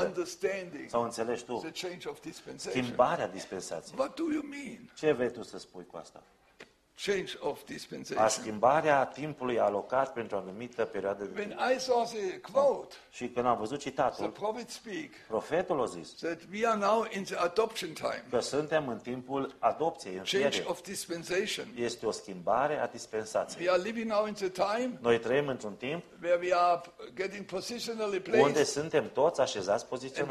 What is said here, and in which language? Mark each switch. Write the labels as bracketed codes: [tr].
[en] understanding, [ro] sau înțelegi tu, [en] the change of dispensation. [ro] Schimbarea dispensației. [en] What do you mean? [ro] Ce vrei tu să spui cu asta? [en] Change of dispensation. [ro] A schimbarea timpului alocat pentru o anumită perioadă de [en] when [ro] timp. [en] I saw the quote, [ro] și când am văzut citatul, [en] the prophet speak, [ro] profetul a zis [en] that we are now in the adoption time. [ro] Că suntem în timpul adopției, în [en] change fiere. Of dispensation. [ro] Este o schimbare a dispensației. [en] We are living now in the time. [ro] Noi trăim într-un timp [en] where we are getting positionally placed, [ro] unde suntem toți așezați poziționat.